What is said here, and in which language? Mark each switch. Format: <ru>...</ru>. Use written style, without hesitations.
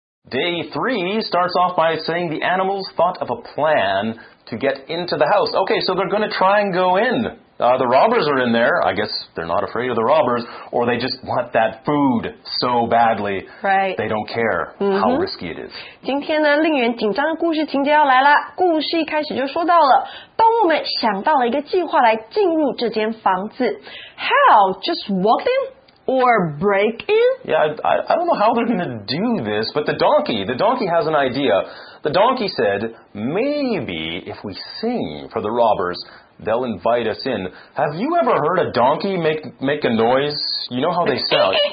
<en>Day 3 starts off by saying the animals thought of a plan to get into the house. Okay, so they're going to try and go in. The robbers are in there. I guess they're not afraid of the robbers, or they just want that food so badly. Right. They don't care、 mm-hmm. how risky it is.</en> <zh>今天呢，令人紧张的故事情节要来了。故事一开始就说到了，动物们想到了一个计划来进入这间房子。</zh> <en>How? Just walk in? Or break in? Yeah, I don't know how they're going to do this, but the donkey has an idea. The donkey said, maybe if we sing for the robbers, they'll invite us in. Have you ever heard a donkey make a noise? You know how they sound?</en>